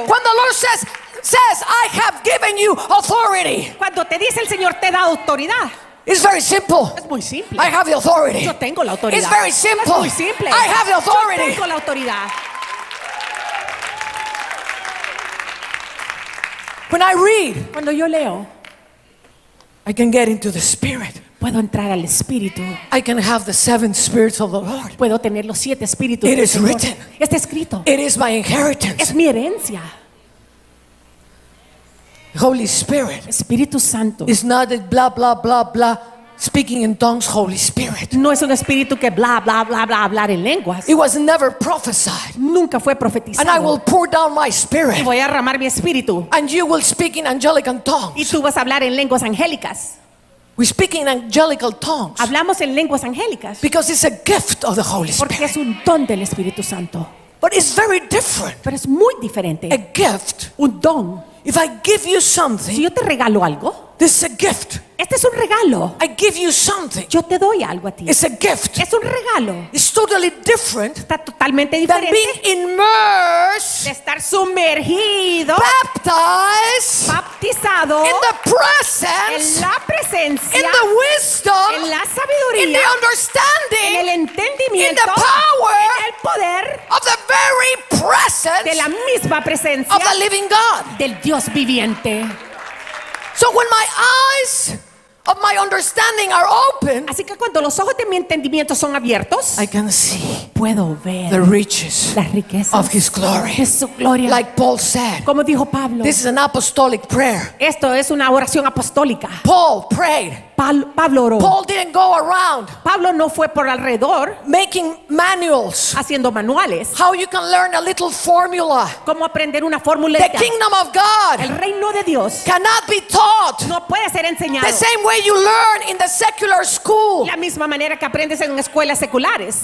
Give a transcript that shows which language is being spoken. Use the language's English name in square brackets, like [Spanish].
[English] When the Lord says I have given you authority. [Spanish] Cuando te dice el Señor te da autoridad. [English] It's very simple. [Spanish] Es muy simple. [English] I have the authority. [Spanish] Yo tengo la autoridad. [English] It's very simple. [Spanish] Es muy simple. [English] I have the authority. [Spanish] Yo tengo la autoridad. [English] When I read, [Spanish] cuando yo leo, [English] I can get into the spirit. [Spanish] Puedo entrar al espíritu. [English] I can have the seven spirits of the Lord. [Spanish] Puedo tener los siete espíritus. [English] It is written. [Spanish] Está escrito. [English] It is my inheritance. [Spanish] Es mi herencia. [English] Holy Spirit. [Spanish] Espíritu Santo. [English] It's not a blah blah blah blah speaking in tongues, Holy Spirit. [Spanish] No es un espíritu que blah blah blah blah hablar en lenguas. [English] It was never prophesied. [Spanish] Nunca fue profetizado. [English] And I will pour down my spirit. [Spanish] Y voy a derramar mi espíritu. [English] And you will speak in angelic tongues. [Spanish] Y tú vas a hablar en lenguas angélicas. [English] We speak in angelical tongues. [Spanish] Hablamos en lenguas angélicas. [English] Because it's a gift of the Holy Spirit. [Spanish] Porque es un don del Espíritu Santo. [English] But it's very different. [Spanish] Pero es muy diferente. [English] A gift. [Spanish] Un don. [English] If I give you something, [Spanish] si yo te regalo algo, [English] this is a gift. [Spanish] Este es un regalo. [English] I give you something. [Spanish] Yo te doy algo a ti. [English] It's a gift. [Spanish] Es un regalo. [English] It's totally different. [Spanish] Está totalmente diferente. [English] Than being immersed. [Spanish] De estar sumergido. [English] Baptized. [Spanish] Baptizado. [English] In the presence. [Spanish] En la presencia. [English] In the wisdom. [Spanish] En la sabiduría. [English] In the understanding. [Spanish] En el entendimiento. [English] In the power. [Spanish] En el poder. [English] Of the very presence. presence, [Spanish] de la misma presencia [English] of the living God, [Spanish] del Dios viviente. [English] So when my eyes of my understanding are open, [Spanish] así que cuando los ojos de mi entendimiento son abiertos, [English] I can see, [Spanish] puedo ver [English] the riches, [Spanish] las riquezas [English] of his glory, [Spanish] de su gloria. [English] Like Paul said, [Spanish] como dijo Pablo, [English] this is an apostolic prayer, [Spanish] esto es una oración apostólica. [English] Paul prayed, [Spanish] Pablo oró. [English] Paul didn't go around, [Spanish] Pablo no fue por alrededor, [English] making manuals, [Spanish] haciendo manuales. [English] How you can learn a little formula, [Spanish] cómo aprender una fórmula. [English] The kingdom of God, [Spanish] el reino de Dios, [English] cannot be taught, [Spanish] no puede ser enseñado. [English] The same way you learn in the secular school, [Spanish] la misma manera que aprendes en escuelas seculares.